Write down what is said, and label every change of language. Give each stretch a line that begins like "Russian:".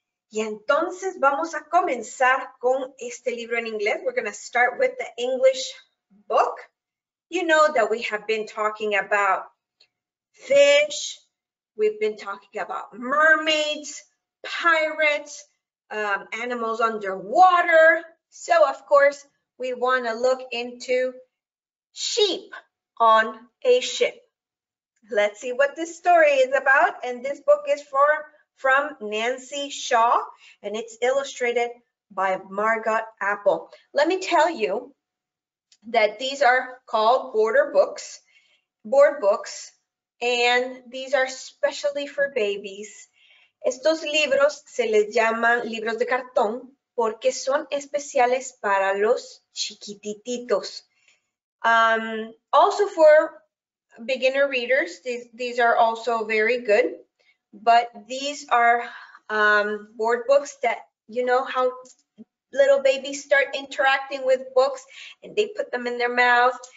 Spanish: Y entonces vamos a comenzar con este libro en inglés.
English: We're going to start with the English book. You know that we have been talking about fish, we've been talking about mermaids, pirates, animals underwater. So, of course, we want to look into sheep on a ship. Let's see what this story is about. And this book is from Nancy Shaw, and it's illustrated by Margot Apple. Let me tell you that these are called board books, and these are specially for babies.
Spanish: Estos libros se les llaman libros de cartón porque son especiales para los chiquitititos.
English: Also for beginner readers, these are also very good. But these are board books that, you know, how little babies start interacting with books and they put them in their mouth.